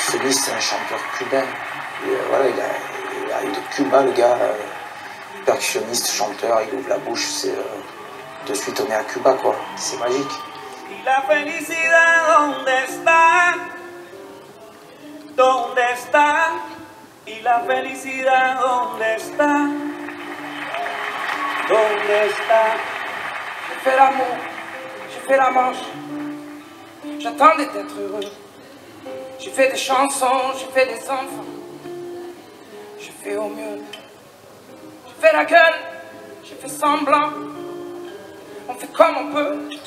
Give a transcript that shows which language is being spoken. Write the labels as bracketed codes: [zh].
[fr] C'est un chanteur cubain. Voilà, il arrive de Cuba, le gars. Percussionniste, chanteur, il ouvre la bouche. C'est, de suite, on est à Cuba, quoi. C'est magique. [es] Y la felicidad, ¿dónde está? ¿Dónde está? Y la felicidad, ¿dónde está? ¿Dónde está? [fr] Je fais l'amour, je fais la manche. J'attends d'être heureux. J'ai fait des chansons, j'ai fait des enfants. J'ai fait au mieux. J'ai fait la gueule, j'ai fait semblant. On fait comme on peut.